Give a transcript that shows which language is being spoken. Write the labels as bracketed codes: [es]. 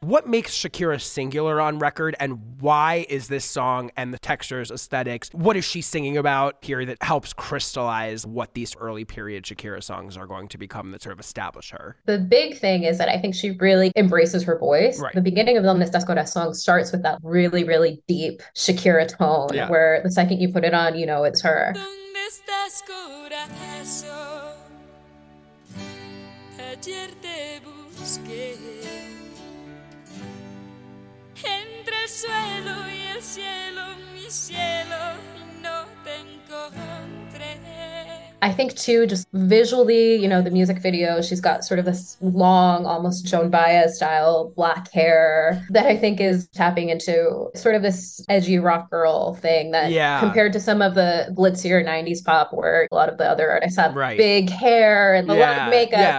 [en] What makes Shakira singular on record? And why is this song and the textures, aesthetics, what is she singing about here that helps crystallize what these early period Shakira songs are going to become that sort of establish her? The big thing is that I think she really embraces her voice. Right. The beginning of Donde Estás Corazón starts with that really, really deep Shakira tone. Yeah. Where the second you put it on, you know it's her. [es] ¿Dónde estás, corazón? Ayer te busqué entre el suelo y el cielo, mi cielo, y no te encontré. [en] I think too, just visually, you know, the music video, she's got sort of this long, almost Joan Baez style black hair that I think is tapping into sort of this edgy rock girl thing that compared to some of the glitzier 90s pop where a lot of the other artists have big hair and a lot of makeup.